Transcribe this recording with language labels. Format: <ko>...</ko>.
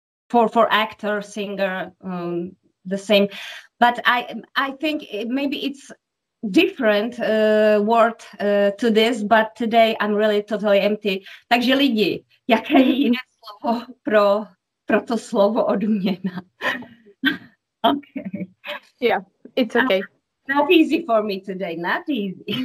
<en>For actor, singer, the same. But I think maybe it's different word to this, but today I'm really totally empty.</en> <cs>Takže lidi, jaké je jiné slovo pro to slovo odměna?</cs> <en>Okay. Yeah, it's okay. Not easy for me today, not easy.</en>